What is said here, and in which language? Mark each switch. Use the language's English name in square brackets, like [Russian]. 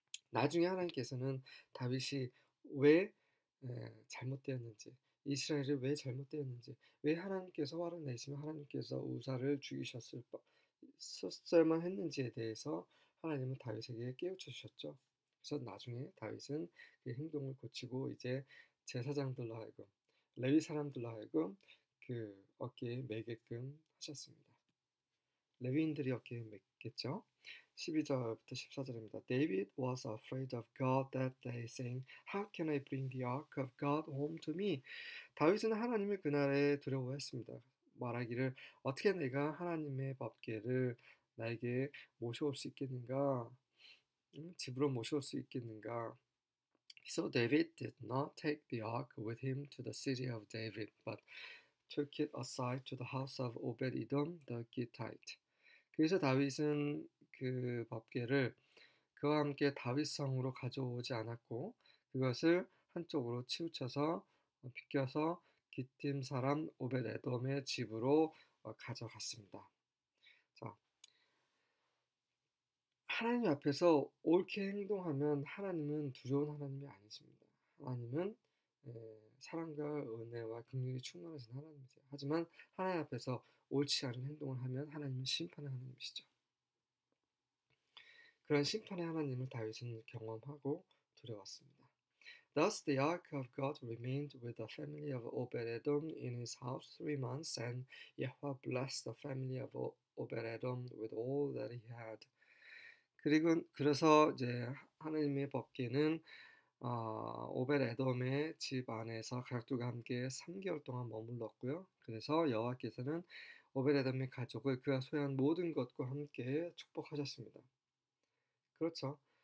[Korean] 나중에 하나님께서는 다윗이 왜 잘못되었는지, 이스라엘이 왜 잘못되었는지, 왜 하나님께서 화를 내시면 하나님께서 우사를 죽이셨을 법, 썼을만 했는지에 대해서 하나님은 다윗에게 깨우쳐 주셨죠. 그래서 나중에 다윗은 그 행동을 고치고 이제 제사장들로 하여금, 레위 사람들로 하여금 그 어깨에 메게끔 하셨습니다. 레위인들이 어깨에 맸겠죠. 12절부터 14절입니다. [English] David was afraid of God that day, saying, "How can I bring the ark of God home to me?" [Korean] 다윗은 하나님을 그날에 두려워했습니다. 말하기를 어떻게 내가 하나님의 법궤를 나에게 모셔올 수 있겠는가? 집으로 모셔올 수 있겠는가? [English] So David did not take the ark with him to the city of David, but took it aside to the house of Obed-Edom the Gittite. [Korean] 그래서 다윗은 그 법궤를 그와 함께 다윗성으로 가져오지 않았고 그것을 한쪽으로 치우쳐서 비껴서 깃딤 사람 오벳에돔의 집으로 가져갔습니다. 하나님 앞에서 옳게 행동하면 하나님은 두려운 하나님이 아니십니다. 하나님은 사랑과 은혜와 긍휼이 충만하신 하나님이세요. 하지만 하나님 앞에서 옳지 않은 행동을 하면 하나님은 심판의 하나님이시죠. 그런 심판의 하나님을 다윗은 경험하고 두려웠습니다. [English] Thus the ark of God remained with the family of Obed-Edom in his house 3 months, and Yehovah blessed the family of Obed-Edom with all that he had. [Korean] 그리고 그래서 이제 하나님의 법궤는 오벳에돔의 집 안에서 가족들과 함께 3개월 동안 머물렀고요. 그래서 여호와께서는 오벳에돔의 가족을 그가 소유한 모든 것과 함께 축복하셨습니다. 그렇죠.